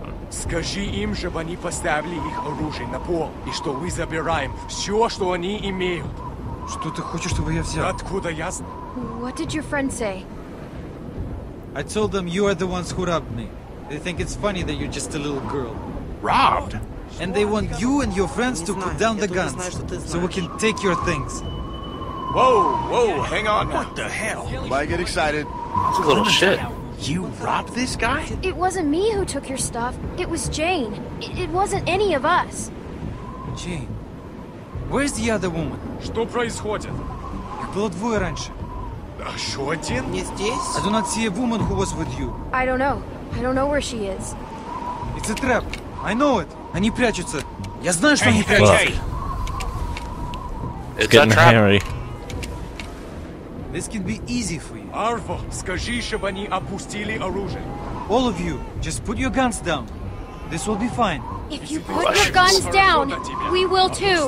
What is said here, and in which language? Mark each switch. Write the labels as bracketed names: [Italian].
[Russian] Скажи им, чтобы они поставили их оружие на пол, и что мы забираем все, что они имеют. Что ты хочешь, чтобы я взял? Откуда я знаю? [English] What did your friend say? I told them you are the ones who robbed me. They think it's funny that you're just a little girl. Robbed? And they want you and your friends to put down the guns, so we can take your things. Whoa, hang on. What the hell? Why get excited? It's a little shit. You robbed this guy? It wasn't me who took your stuff. It was Jane. It wasn't any of us. Jane, where's the other woman? [Russian] Что происходит? Их было двое раньше. А что один? Не здесь. [English] I do not see a woman who was with you. I don't know. I don't know where she is. It's a trap. I know it. [Russian] Они прячутся. Я знаю, что они прячутся. [English] It's getting hairy. This can be easy for you. [Russian] Arvo, скажи, чтобы они опустили оружие. [English] All of you, just put your guns down. This will be fine. If you put your guns down, we will too.